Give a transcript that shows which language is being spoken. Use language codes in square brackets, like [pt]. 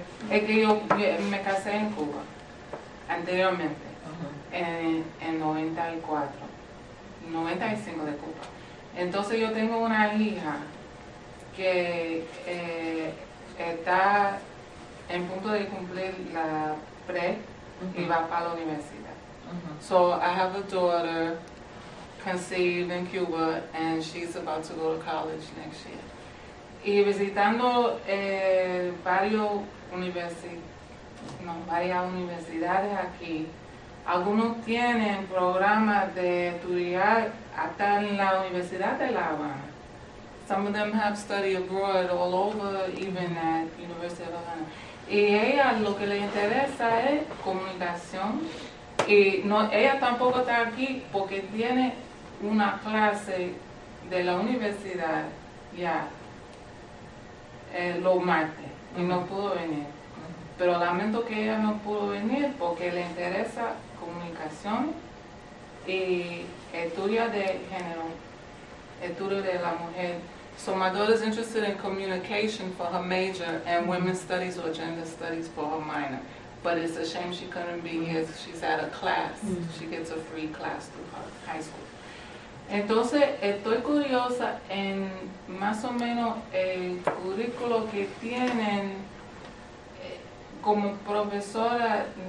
[es] Es que yo me casé en Cuba anteriormente, en 94, 95 de Cuba. Entonces yo tengo una hija que está en punto de cumplir la pre y va para la universidad. [en] So I have a daughter conceived in Cuba and she's about to go to college next year. [es] Y visitando varias universidades aquí, algunos tienen programas de estudiar hasta en la Universidad de La Habana. [en] Some of them have studied abroad all over, even at University of La Habana. [es] Y ella lo que le interesa es comunicación. Y no, ella tampoco está aquí porque tiene una clase de la universidad ya. Los martes y no pudo venir, pero lamento que ella no pudo venir porque le interesa comunicación y estudios de género, estudios de la mujer. [en] So my daughter is interested in communication for her major and women's studies or gender studies for her minor, but it's a shame she couldn't be here. She's at a class. She gets a free class through her high school. [es] Entonces, estoy curiosa en más o menos el currículo que tienen como profesora